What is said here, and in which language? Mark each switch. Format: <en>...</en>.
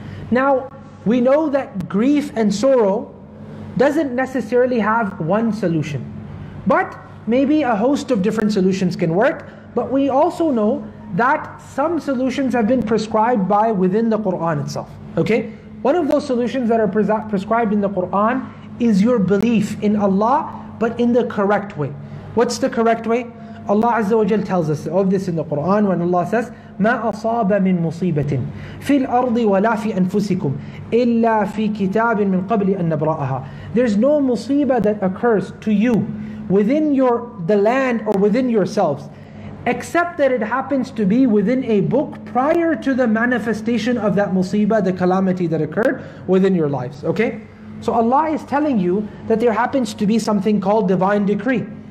<en>Now, we know that grief and sorrow doesn't necessarily have one solution, but maybe a host of different solutions can work. But we also know that some solutions have been prescribed by within the Quran itself, okay? One of those solutions that are prescribed in the Quran is your belief in Allah, but in the correct way. What's the correct way? Allah Azza wa Jalla tells us of this in the Quran when Allah says,</en> <ar>"مَا أَصَابَ مِن مُصِيبَةٍ فِي الْأَرْضِ وَلَا فِي أَنفُسِكُمْ إِلَّا فِي كِتَابٍ مِن قَبْلِ أَن نَبْرَأَهَا."</ar> <en>There's no musibah that occurs to you within the land or within yourselves, except that it happens to be within a book prior to the manifestation of that musibah, the calamity that occurred within your lives, okay? So Allah is telling you that there happens to be something called divine decree.</en>